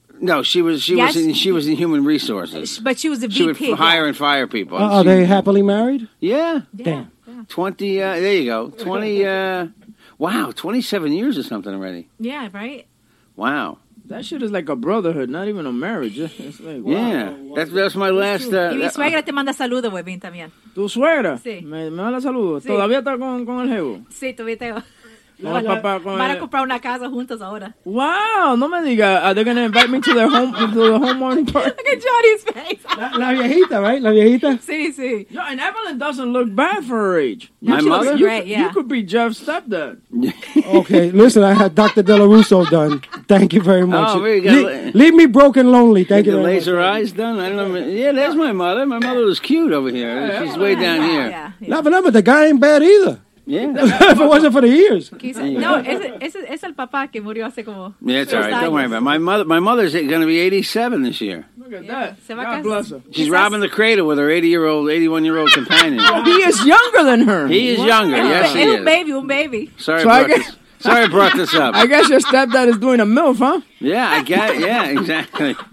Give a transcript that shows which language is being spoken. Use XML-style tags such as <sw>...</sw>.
<en>No, she was in human resources. But she was a VP. She would hire and fire people. Are they happily married? Yeah. Damn. 20 there you go. 20 wow, 27 years or something already. Yeah, right? Wow. That shit is like a brotherhood, not even a marriage. It's like, wow. Yeah, that's my last...</en> <es>Y mi suegra te manda saludos, huevín, también. ¿Tu suegra? Sí. Me manda saludos. Sí. ¿Todavía está con el jevo? Sí, todavía tengo. No, la, papá, van a comprar una casa juntos ahora. Wow, no me diga.</es> <en>Are they going to invite me to their home to the home morning party? Look at Johnny's face.</en> <es>La viejita,</es> <en>right?</en> <es>La viejita? Sí, sí.</es> <en>No, and Evelyn doesn't look bad for her age. My mother? Great, yeah. You could be Jeff's stepdad. Okay, listen, I had Dr. De La Russo done. Thank you very much. Oh, here you go. Leave me broke and lonely. Thank you. The laser eyes done? I don't know. Yeah, there's my mother. My mother was cute over here. Yeah. She's way down here. Yeah. No, but the guy ain't bad either. Yeah. If it wasn't for the ears.</en> <es>No, es el papá que murió hace como...</es> <en>Yeah, it's all right. Don't worry about it. My mother's going to be 87 this year. Look at that. God bless her. She's robbing the cradle with her 81-year-old companion. He is younger than her. He is younger. Yes, he is.</en> <es>Un baby.</es> <en>Sorry I brought this up. I guess your stepdad is doing a MILF, huh? Yeah, I get. Yeah, exactly.</en>